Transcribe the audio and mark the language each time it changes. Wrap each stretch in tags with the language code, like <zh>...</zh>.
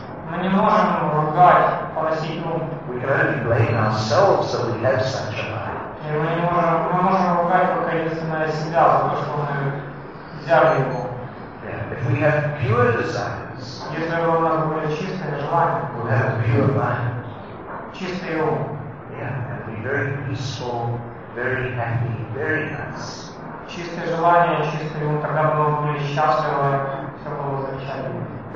<ru>Мы не можем ругать, поносить ум.</ru> <en>We can only blame ourselves that we have such a mind.</en> <ru>И мы можем ругать только единственное себя за то, что мы взяли его.</ru> <en>If we have pure desires,</en> <ru>если у нас были чистые желания,</ru> <en>we have pure mind.</en> <ru>Чистый ум.</ru> <en>Very peaceful, very happy, very nice.</en> <ru>Чистые желания, чистые ум, тогда мы были счастливы, все было замечательно.</ru>